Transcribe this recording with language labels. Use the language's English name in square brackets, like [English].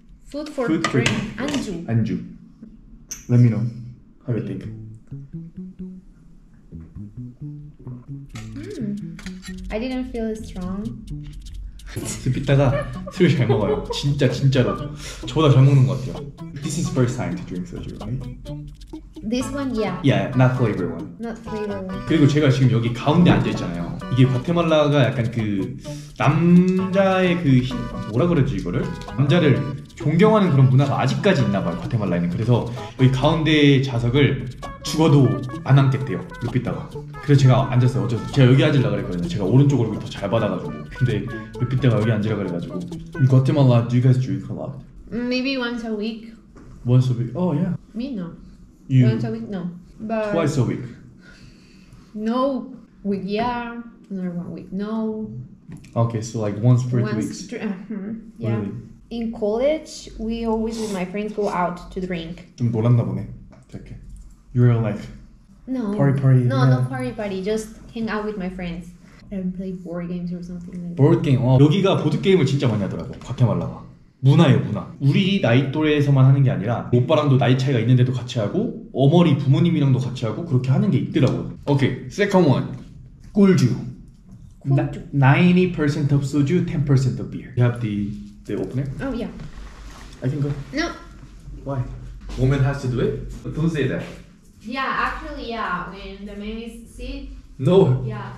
[English] Food for drink. 안주. 안주. Let me know how you think. I didn't feel strong. [Korean] 스피타가 술을 잘 먹어요. 진짜로. 저보다 잘 먹는 것 같아요. [English] This is first time to drink soju, right? This one, yeah. Yeah, not flavor one. Not flavor one. [Korean] 그리고 제가 지금 여기 가운데 앉아있잖아요. 이게 과테말라가 약간 그 남자의 그 뭐라 그러지 이거를? 남자를 존경하는 그런 문화가 아직까지 있나 봐요, 과테말라에는. 그래서 여기 가운데 좌석을 죽어도 안 앉겠대요, 루피따가. 그래서 제가 앉았어요, 어쩔 수 없이. 제가 여기 앉으려고 그랬거든요. 제가 오른쪽 얼굴이 더 잘 받아가지고. 근데 루피따가 여기 앉으려고 그래가지고. [English] In Guatemala, do you guys drink a lot? Maybe once a week. Once a week? Oh, yeah. Me, no. You? Once a week, no. But twice a week? No. Week, yeah. Another 1 week, no. Okay, so like once per 2 weeks. Yeah. Really? In college, we always with my friends go out to drink. [Korean] 좀 놀았나 보네. 이렇게. [English] You're like no. Party. No, yeah. Not party. Just hang out with my friends and play board games or something like board game. That. [Korean] 어, 여기가 보드 게임을 진짜 많이 하더라고. 과테말라가. 문화예요, 문화. 우리 나이 또래에서만 하는 게 아니라 오빠랑도 나이 차이가 있는데도 같이 하고 어머니 부모님이랑도 같이 하고 그렇게 하는 게 있더라고요. [English] 오케이. Second one. 꿀주. [Korean] 꿀주. [English] 90% of soju, 10% of beer. You have the opener? Oh, yeah. I can go. No. Why? Woman has to do it? Don't say that. Yeah, actually, yeah. When the man is sick, No. Yeah.